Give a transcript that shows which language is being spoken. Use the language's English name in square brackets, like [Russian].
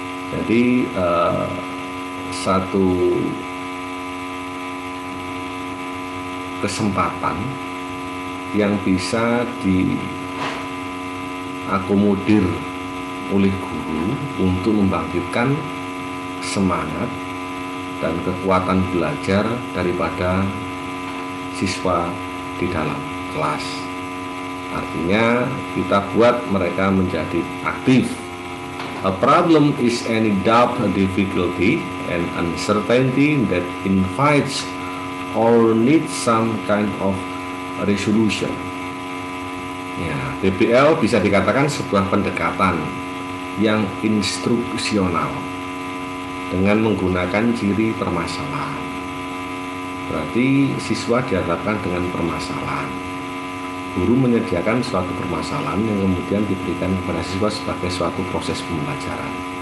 [Indonesian] Jadi satu kesempatan yang bisa diakomodir oleh guru untuk membangkitkan semangat dan kekuatan belajar daripada siswa di dalam kelas. Artinya kita buat mereka menjadi aktif. [English] A problem is any doubt, difficulty, and uncertainty that invites or needs some kind of resolution. [Indonesian] Ya, PBL bisa dikatakan sebuah pendekatan yang instruksional dengan menggunakan ciri permasalahan. Berarti siswa dihadapkan dengan permasalahan. guru menyediakan suatu permasalahan yang kemudian diberikan kepada siswa sebagai suatu proses pembelajaran.